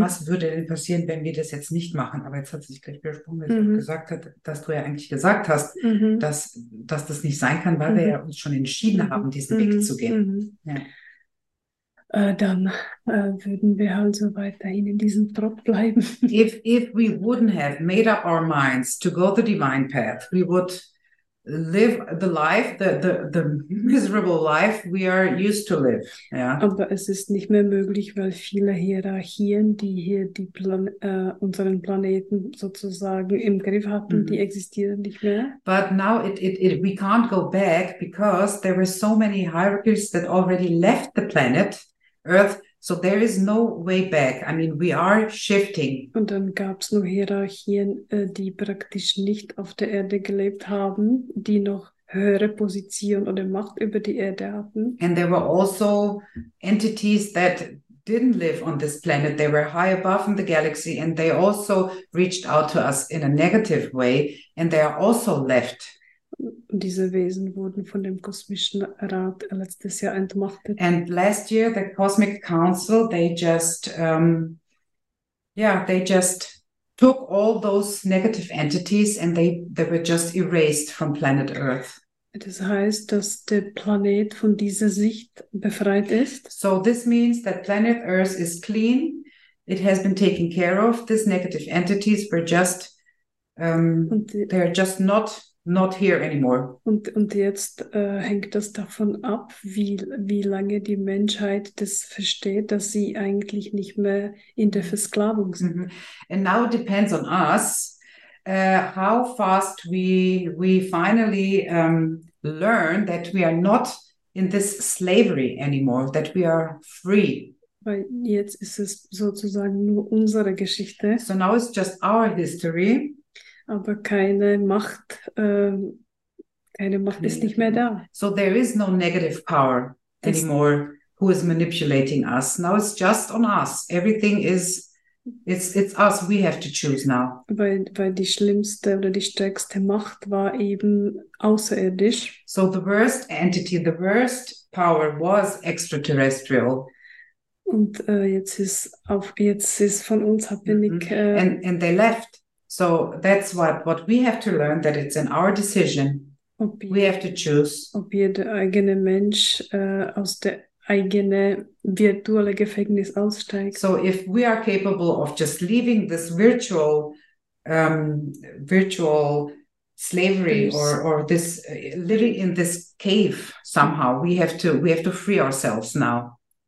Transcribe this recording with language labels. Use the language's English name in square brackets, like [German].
[German] Was würde denn passieren, wenn wir das jetzt nicht machen? Aber jetzt hat sich gleich widersprochen, weil mm-hmm. gesagt hat, dass du ja eigentlich gesagt hast, mm-hmm. dass das nicht sein kann, weil mm-hmm. wir ja uns schon entschieden mm-hmm. haben, diesen mm-hmm. Weg zu gehen. Mm-hmm. Ja. Würden wir also weiterhin in diesem Trott bleiben. [English] If we wouldn't have made up our minds to go the divine path, we would live the life, the miserable life we are used to live. Yeah. [German] Aber es ist nicht mehr möglich, weil viele Hierarchien, die hier die unseren Planeten sozusagen im Griff hatten, mm-hmm. die existieren nicht mehr. [English] But now we can't go back because there were so many hierarchies that already left the planet Earth, so there is no way back. I mean, we are shifting. [German] Und dann gab es noch Hierarchien, die praktisch nicht auf der Erde gelebt haben, die noch höhere Position oder Macht über die Erde hatten. [English] And there were also entities that didn't live on this planet. They were high above in the galaxy and they also reached out to us in a negative way and they are also left. [German] Diese Wesen wurden von dem kosmischen Rat letztes Jahr entmachtet. [English] And last year the Cosmic Council they just took all those negative entities and they were just erased from planet Earth. [German] Das heißt, dass der Planet von dieser Sicht befreit ist. [English] So this means that planet Earth is clean. It has been taken care of. These negative entities were just they are just not here anymore. [German] Und jetzt hängt das davon ab, wie lange die Menschheit das versteht, dass sie eigentlich nicht mehr in der Versklavung sind. Mm-hmm. [English] And now it depends on us, how fast we finally learn that we are not in this slavery anymore, that we are free. [German] Weil jetzt ist es sozusagen nur unsere Geschichte. [English] So now it's just our history. [German] Aber keine Macht ist nicht mehr da. [English] So there is no negative power anymore who is manipulating us. Now it's just on us. Everything is, it's us. We have to choose now. [German] Weil die schlimmste oder die stärkste Macht war eben außerirdisch. [English] So the worst entity, the worst power was extraterrestrial. [German] Und jetzt ist von uns abhängig. Mm-hmm. [English] And they left. So that's what we have to learn, that it's in our decision. We have to choose. [German] Ob jeder eigene Mensch aus der eigene virtuelle Gefängnis aussteigt. [English] So if we are capable of just leaving this virtual virtual slavery or this living in this cave somehow, we have to free ourselves now.